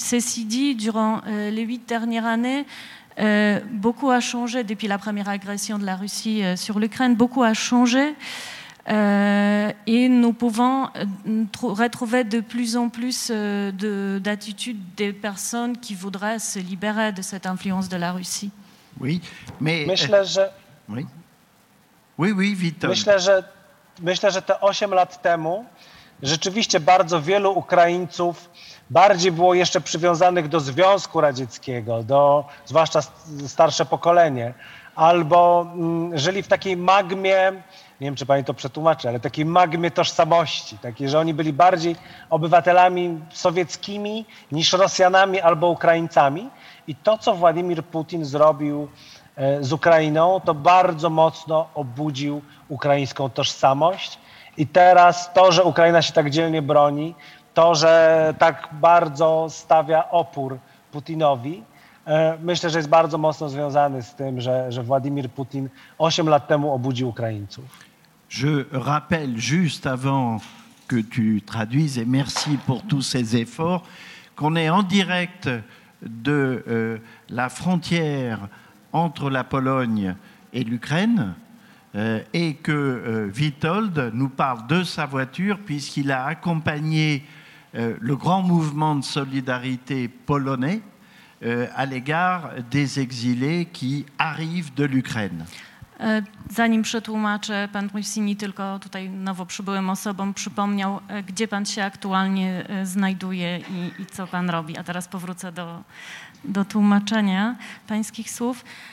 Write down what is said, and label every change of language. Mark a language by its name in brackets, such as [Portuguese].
[French] Ceci dit, durant les 8 dernières années, beaucoup a changé depuis la première agression de la Russie sur l'Ukraine. Beaucoup a changé. Et nous pouvons retrouver de plus en plus d'attitudes des personnes qui voudraient se libérer de cette influence de la Russie. Oui, mais... [Polish] Myślę, że... [French] Oui, oui, oui Witold. [Polish] Myślę, że te 8 lat temu rzeczywiście bardzo wielu Ukraińców bardziej było jeszcze przywiązanych do Związku Radzieckiego, do zwłaszcza starsze pokolenie, albo żyli w takiej magmie, nie wiem, czy pani to przetłumaczy, ale takiej magmie tożsamości, takiej, że oni byli bardziej obywatelami sowieckimi niż Rosjanami albo Ukraińcami. I to, co Władimir Putin zrobił z Ukrainą, to bardzo mocno obudził ukraińską tożsamość. I teraz to, że Ukraina się tak dzielnie broni, to, że tak bardzo stawia opór Putinowi, myślę, że jest bardzo mocno związany z tym, że Władimir Putin 8 lat temu obudził Ukraińców. [French] Je rappelle juste avant que tu traduises et merci pour tous ces efforts qu'on est en direct de la frontière entre la Pologne et l'Ukraine et que Witold nous parle de sa voiture puisqu'il a accompagné le grand mouvement de solidarité polonais à l'égard des exilés qui arrivent de l'Ukraine. [Polish] Zanim przetłumaczę, pan Rusini tylko tutaj nowo przybyłym osobom przypomniał, gdzie pan się aktualnie znajduje i co pan robi. A teraz powrócę do tłumaczenia pańskich słów.